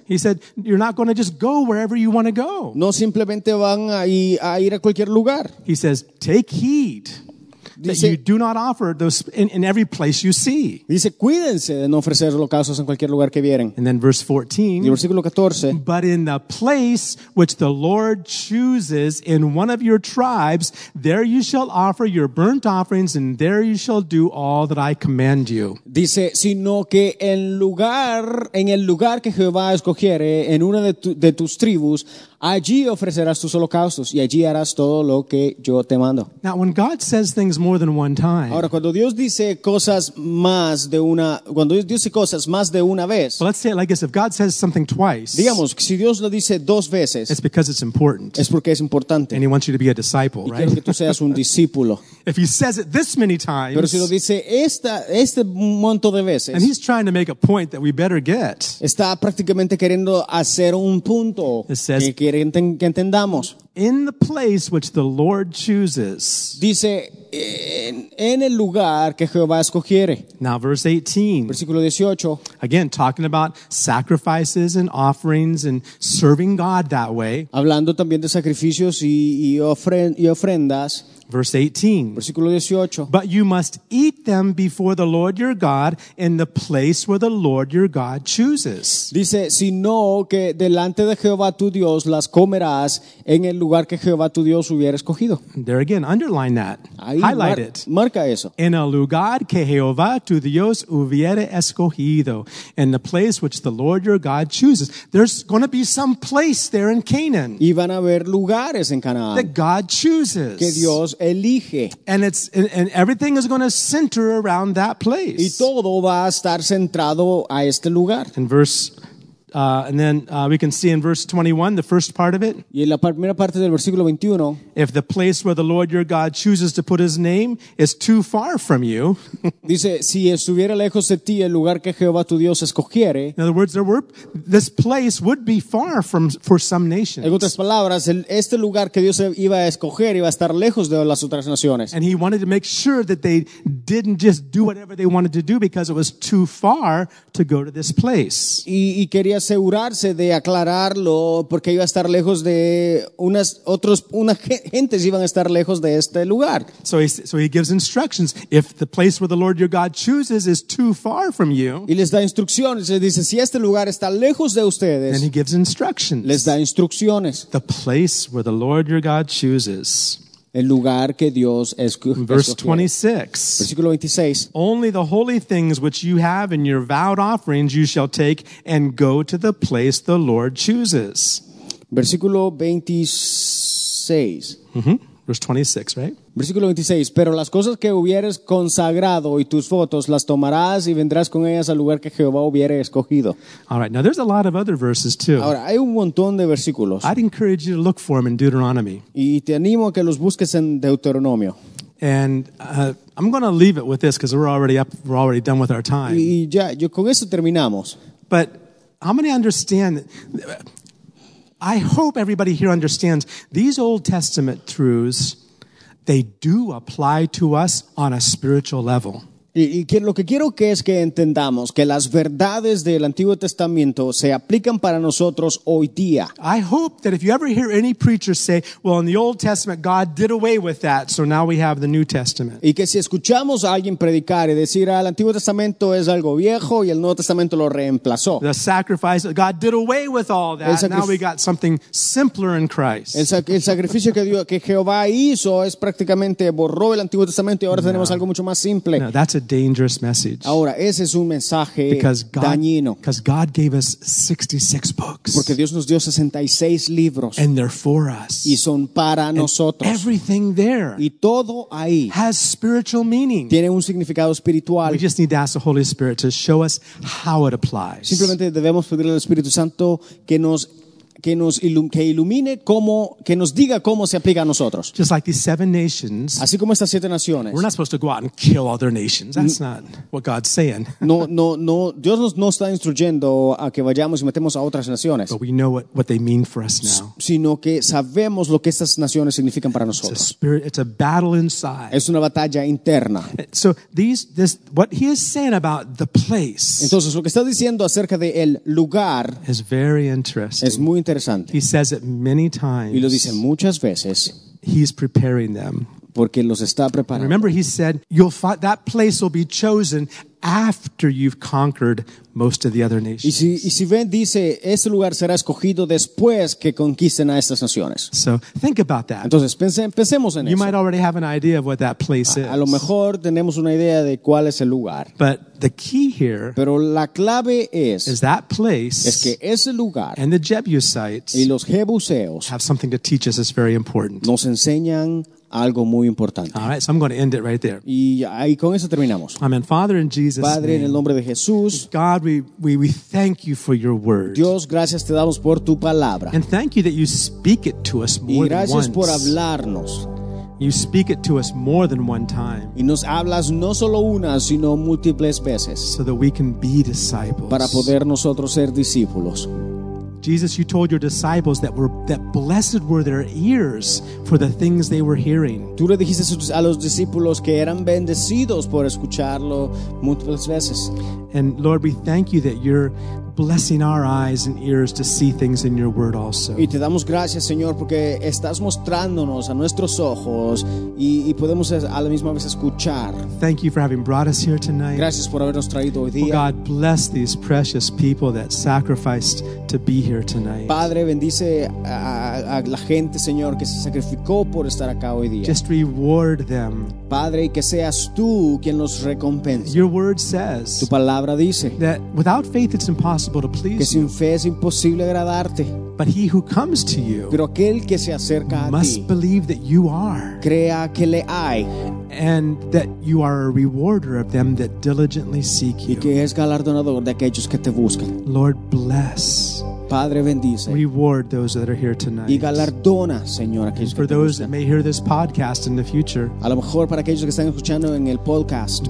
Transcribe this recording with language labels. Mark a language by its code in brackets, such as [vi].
[en] He said, you're not going to just go wherever you want to go. [es] No simplemente van a ir a cualquier lugar. [en] He says, take heed. That you do not offer those in every place you see. [es] Dice, cuídense de no ofrecer holocaustos en cualquier lugar que vieren. [en] And then verse 14. [es] Y el versículo 14. [en] But in the place which the Lord chooses in one of your tribes, there you shall offer your burnt offerings, and there you shall do all that I command you. [es] Dice, sino que en el lugar que Jehová escogiere, en una de tus tribus, allí ofrecerás tus holocaustos y allí harás todo lo que yo te mando. [en] Now, when God says things more than one time. [es] Ahora, cuando Dios dice cosas más de una, cuando Dios dice cosas más de una vez. [en] But let's say it like this: if God says something twice, [es] digamos que si Dios lo dice dos veces, [en] it's because it's important. [es] Es porque es importante. [en] And He wants you to be a disciple, [es] y [en] right? [es] Y quiere que tú seas un discípulo. [en] If He says it this many times, [es] pero si lo dice este monto de veces, [en] and He's trying to make a point that we better get, [es] está prácticamente queriendo hacer un punto. [en] It says, [es] que entendamos. [en] In the place which the Lord chooses. [es] Dice, en el lugar que Jehová escogiere. [en] Now verse 18. [es] Versículo 18. [en] Again, talking about sacrifices and offerings and serving God that way. [es] Hablando también de sacrificios y ofrendas. [en] Verse 18. [es] Versículo 18. [en] But you must eat them before the Lord your God in the place where the Lord your God chooses. [es] Dice, sino que delante de Jehová tu Dios las comerás en el lugar que Jehová tu Dios hubiera escogido. [en] There again, underline that. [es] Ahí, [en] highlight it. [es] Marca eso. En el lugar que Jehová tu Dios hubiera escogido. [en] In the place which the Lord your God chooses. There's going to be some place there in Canaan. [es] Y van a haber lugares en Canaán. [en] That God chooses. [es] Que Dios elige. [en] And it's and everything is going to center around that place. [es] Y todo va a estar centrado a este lugar. [en] In verse we can see in verse 21, the first part of it. [es] Y en la primera parte del versículo 21, [en] if the place where the Lord your God chooses to put his name is too far from you. [es] Dice, si estuviera lejos de ti el lugar que Jehová tu Dios escogiere. [en] In other words, this place would be far from for some nations. [es] En otras palabras, este lugar que Dios iba a escoger iba a estar lejos de las otras naciones. [en] And he wanted to make sure that they didn't just do whatever they wanted to do because it was too far to go to this place. [es] Y quería asegurarse de aclararlo porque iba a estar lejos de unas gentes iban a estar lejos de este lugar. [en] So he gives instructions. If the place where the Lord your God chooses is too far from you, [es] y les da instrucciones, les dice, si este lugar está lejos de ustedes, [en] then he gives instructions. [es] Les da instrucciones. [en] The place where the Lord your God chooses. [es] El lugar que Dios [en] verse 26. [es] Versículo 26. [en] Only the holy things which you have in your vowed offerings you shall take and go to the place the Lord chooses. [es] Versículo 26. [en] Mm-hmm. Verse 26, right? [es] Versículo 26. Pero las cosas que hubieres consagrado y tus votos las tomarás y vendrás con ellas al lugar que Jehová hubiere escogido. [en] All right. Now there's a lot of other verses too. [es] Ahora hay un montón de versículos. [en] I'd encourage you to look for them in Deuteronomy. [es] Y te animo a que los busques en Deuteronomio. [en] And I'm going to leave it with this because we're already up. We're already done with our time. [es] Y ya, yo con eso terminamos. [en] But how many understand? I hope everybody here understands these Old Testament truths. They do apply to us on a spiritual level. [es] Y que lo que quiero que es que entendamos que las verdades del Antiguo Testamento se aplican para nosotros hoy día. [en] I hope that if you ever hear any preacher say, well, in the Old Testament, God did away with that, so now we have the New Testament. [es] Y que si escuchamos a alguien predicar y decir, ah, el Antiguo Testamento es algo viejo y el Nuevo Testamento lo reemplazó. [en] The sacrifice, God did away with all that, now we got something simpler in Christ. [es] El sacrificio que, Dios, que Jehová hizo es prácticamente borró el Antiguo Testamento y ahora tenemos algo mucho más simple. [en] No, that's a dangerous message. [es] Ahora, ese es un mensaje dañino. [en] Because God gave us 66 books. [es] Porque Dios nos dio 66 libros. [en] And they're for us. [es] Y son para nosotros. [en] Everything there. [es] Y todo ahí. [en] Has spiritual meaning. [es] Tiene un significado espiritual. [en] We just need to ask the Holy Spirit to show us how it applies. [es] Simplemente debemos pedirle al Espíritu Santo que ilumine cómo, que nos diga cómo se aplica a nosotros. [en] Just like these seven nations, [es] así como estas siete naciones. [en] We're not supposed to go out and kill other nations. That's not what God's saying. [es] No. Dios no está instruyendo a que vayamos y matemos a otras naciones. [en] But we know what they mean for us now. [es] Sino que sabemos lo que estas naciones significan para nosotros. [en] It's a battle inside. [es] Es una batalla interna. [en] So what he is saying about the place. [es] Entonces lo que está diciendo acerca de el lugar [en] is very interesting. [es] Es muy interesante. [en] He says it many times. [es] Y lo dice muchas veces. [en] He's preparing them. [es] Porque los está preparando. [en] Remember, he said, "You'll find that place will be chosen after you've conquered most of the other nations." [es] Y si ven, dice, ese lugar será escogido después que conquisten a estas naciones. [en] So think about that. [es] Entonces pensemos en [en] you [es] eso. [en] Might already have an idea of what that place is. [es] A lo mejor tenemos una idea de cuál es el lugar. [en] But the key here. [es] Pero la clave es. [en] Is that place. [es] Es que ese lugar. [en] And the Jebusites. [es] Y los Jebuseos. [en] Have something to teach us. That's very important. [es] Nos enseñan algo muy importante. [en] All right, so I'm going to end it right there. [es] Y ahí con eso terminamos. [en] Amen. Father, in Jesus' [es] Padre, [en] name, [es] en el nombre de Jesús. [en] God, we thank you for your word. [es] Dios, gracias te damos por tu palabra. [en] And thank you that you speak it to us more than once. [es] Y gracias por hablarnos. [en] You speak it to us more than one time. [es] Y nos hablas no solo una, sino múltiples veces. [en] So that we can be disciples. [es] Para poder nosotros ser discípulos. [en] Jesus, you told your disciples that blessed were their ears for the things they were hearing. [es] Tú le dijiste a los discípulos que eran bendecidos por escucharlo múltiples veces. [en] And Lord, we thank you that you're blessing our eyes and ears to see things in your word also. [es] Y te damos gracias, Señor, porque estás mostrándonos a nuestros ojos y podemos a la misma vez escuchar. [en] Thank you for having brought us here tonight. [es] Gracias por habernos traído hoy día. [en] Oh God, bless these precious people that sacrificed to be here tonight. [es] Padre, bendice a la gente, Señor, que se sacrificó por estar acá hoy día. [en] Just reward them. [es] Padre, y que seas tú quien los recompense. [en] Your word says. [es] Tu palabra dice. [en] That without faith it's impossible to please. [es] Que sin fe es imposible agradarte. [en] But he who comes to you. [es] Pero aquel que se acerca a ti. [en] Must believe that you are. [es] Crea que le hay. [en] And that you are a rewarder of them that diligently seek you. [es] Y que es galardonador de aquellos que te buscan. [en] Lord bless. [es] Padre bendice. [en] Reward those that are here tonight. [es] Y galardona, Señor, aquellos [en] for those that may hear this podcast in the future. [es] A lo mejor para aquellos que están escuchando en el podcast.